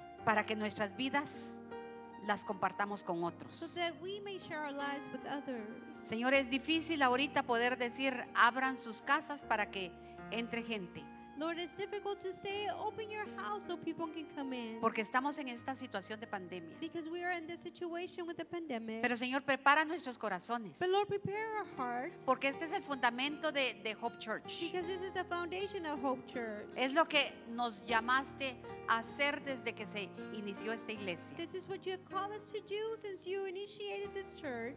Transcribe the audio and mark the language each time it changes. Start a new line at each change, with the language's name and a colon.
Spanish: para que nuestras vidas las compartamos con otros.
English: So that we may share our lives with others.
Spanish: Señor, es difícil ahorita poder decir abran sus casas para que entre gente.
English: Lord, it's difficult to say open your house so people can come in.
Spanish: Porque estamos en esta situación de pandemia.
English: Because we are in this situation with the pandemic.
Spanish: Pero Señor, prepara nuestros corazones.
English: But Lord, prepare our hearts.
Spanish: Porque este es el fundamento de Hope Church.
English: Because this is the foundation of Hope Church.
Spanish: Es lo que nos llamaste a hacer desde que se inició esta iglesia.
English: This is what you have called us to do since you initiated this church.